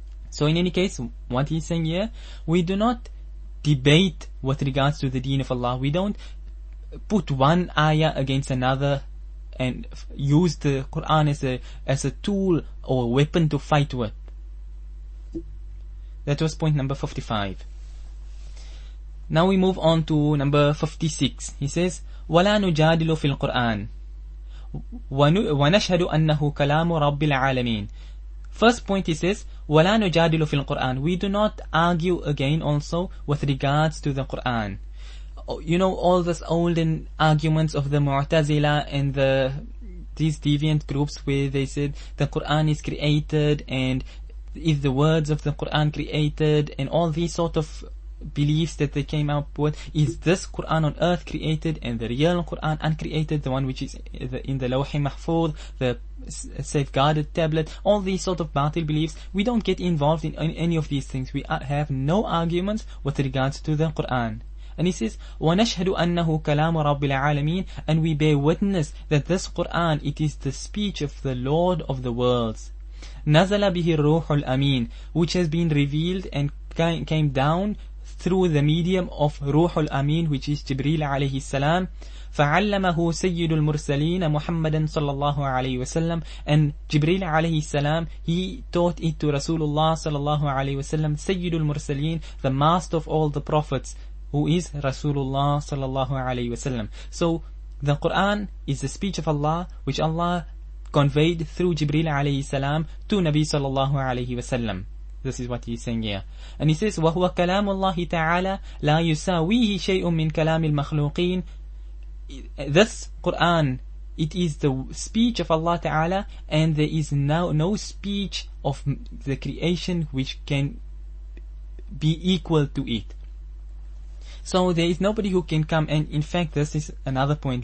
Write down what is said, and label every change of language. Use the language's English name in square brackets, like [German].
[English] So in any case, what he's saying here, we do not debate with regards to the deen of Allah. We don't put one ayah against another and use the Quran as a tool or weapon to fight with. That was point number 55. Now we move on to number 56. He says, [Arabic] وَلَا نُجَادِلُ فِي الْقُرْآنِ وَنَشْهَدُ أَنَّهُ كَلَامُ رَبِّ الْعَالَمِينَ. [English] First point he says, [Arabic] وَلَا نُجَادِلُ فِي الْقُرْآنِ. [English] We do not argue again also with regards to the Quran. You know, all this olden arguments of the Mu'tazila and these deviant groups where they said the Quran is created and is the words of the Quran created and all these sort of beliefs that they came up with. Is this Quran on earth created and the real Quran uncreated, the one which is in the Lawhi Mahfuz, the safeguarded tablet, all these sort of batil beliefs. We don't get involved in any of these things. We have no arguments with regards to the Quran. And he says, [Arabic] وَنَشْهَدُ أَنَّهُ كَلَامُ رَبِّ الْعَالَمِينَ. [English] And we bear witness that this Qur'an, it is the speech of the Lord of the worlds. [Arabic] نَزَلَ بِهِ الرُّوحُ الْأَمِينَ. [English] Which has been revealed and came down through the medium of رُوحُ الْأَمِينَ, which is Jibreel عَلَيْهِ السَّلَامِ. [Arabic] فَعَلَّمَهُ سَيِّدُ الْمُرْسَلِينَ مُحَمَّدًا صَلَّى اللَّهُ عَلَيْهِ وَسَلَّمَ. [English] And Jibreel عَلَيْهِ السَّلَامِ, he taught it to Rasulullah صَلَّى اللَّهُ عَلَيْهِ وَسَلَّمَ. [Arabic] سَيِّدُ الْمُرْسَلِينَ, [English] the master of all the prophets, who is Rasulullah sallallahu alayhi wasallam. So the Quran is the speech of Allah, which Allah conveyed through Jibreel alayhi salam to Nabi sallallahu alayhi wasallam. This is what he's saying here. And he says, [Arabic] وَهُوَ كَلَامُ اللَّهِ تَعَالَى لَا يُسَاوِيهِ شَيْءٌ مِّن كَلَامِ الْمَخْلُوقِينَ. [English] This Quran, it is the speech of Allah ta'ala, and there is no speech of the creation which can be equal to it. So there is nobody who can come, and in fact this is another point.